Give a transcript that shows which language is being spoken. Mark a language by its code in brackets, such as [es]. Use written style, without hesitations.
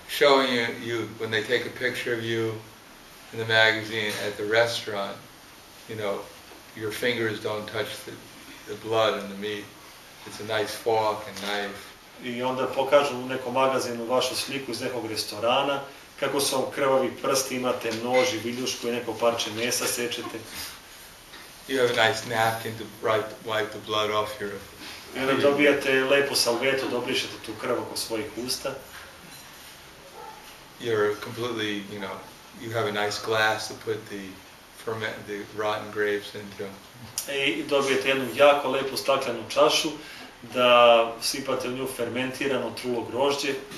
[en] Showing you when they take a picture of you in the magazine at the restaurant, you know, your fingers don't touch the blood and the meat. It's a nice fork and knife. [sr] I onda pokažu u nekom magazinu vašu sliku iz nekog restorana, kako su vam krvavi prsti, imate nož i viljušku i neko parče mesa sečete. [en] You have a nice napkin to wipe the blood off your... [sr] Ili dobijate lepu salvetu, dobrišete tu krv oko svojih usta. [en] You're completely, you know, you have a nice glass to put the ferment, the rotten grapes into. [sr] I dobijete jednu jako lepu staklenu čašu da sipate u nju fermentirano trulo grožđe.